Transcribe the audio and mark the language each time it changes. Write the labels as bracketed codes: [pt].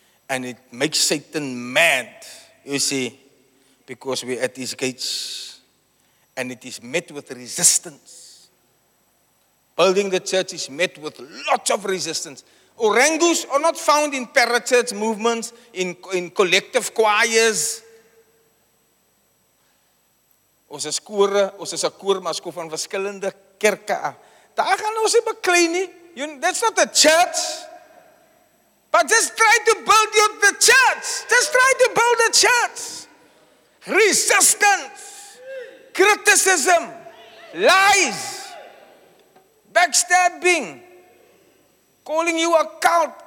[en] And it makes Satan mad, you see, because we're at his gates. And it is met with resistance. Building the church is met with lots of resistance. Orangus are not found in parachurch movements, in collective choirs. [af] Ons is kore, ons is 'n koor, maar ons kom van verskillende kerke af. Daar gaan ons nie beklei nie. [en] That's not a church. But just try to build up the church. Just try to build a church. Resistance. Criticism. Lies. Backstabbing. Calling you a cult.